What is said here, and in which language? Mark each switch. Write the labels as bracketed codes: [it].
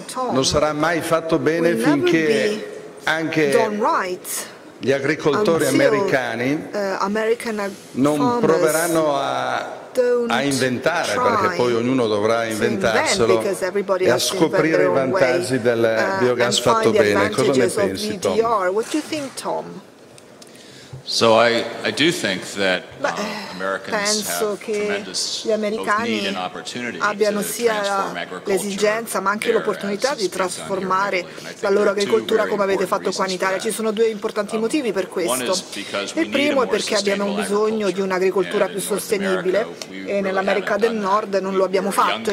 [it] non sarà mai fatto bene finché anche gli agricoltori americani non proveranno a inventare, perché poi ognuno dovrà inventarselo, e a scoprire i vantaggi del biogas fatto bene. Cosa ne pensi, Tom? [en] So I do think that Americans have tremendous need and opportunity [it] abbiano sia l'esigenza ma anche l'opportunità di trasformare la loro agricoltura come avete fatto qua in Italia. Ci sono due importanti motivi per questo. Il primo è perché abbiamo bisogno di un'agricoltura più sostenibile e nell'America del Nord non lo abbiamo fatto.